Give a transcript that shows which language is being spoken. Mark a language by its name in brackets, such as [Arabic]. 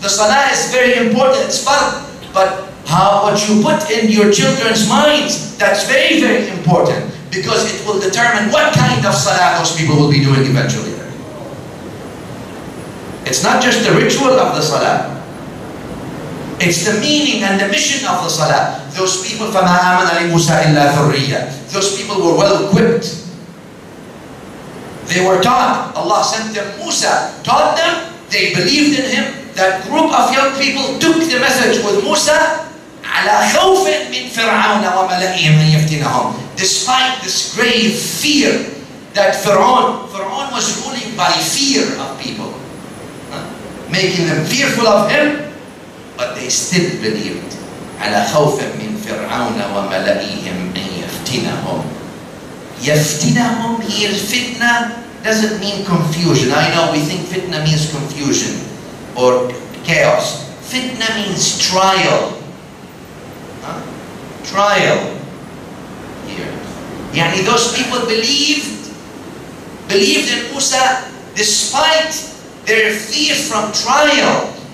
[English] The salah is very important, it's fun. But how, what you put in your children's minds, that's very, very important, because it will determine what kind of salah those people will be doing eventually. It's not just the ritual of the salah. It's the meaning and the mission of the salah. Those people, [Arabic] فَمَا آمَنَ لِمُوسَى إِلَّا ذُرِّيَّةً. [English] Those people were well equipped. They were taught. Allah sent them Musa, taught them, they believed in him. That group of young people took the message with Musa, [Arabic] عَلَى خَوْفٍ مِنْ فِرْعَوْنَ وَمَلَئِهِمْ أَنْ يَفْتِنَهُمْ. [English] Despite this grave fear that Fir'aun was ruling by fear of people. making them fearful of him, but they still believed. [Arabic] على خوف من فرعون وملئهم أن يفتنهم. [English] يفتنهم here, fitna doesn't mean confusion. I know we think fitna means confusion or chaos. Fitna means trial. Trial. Here. يعني those people believed in Musa despite their fear from trial.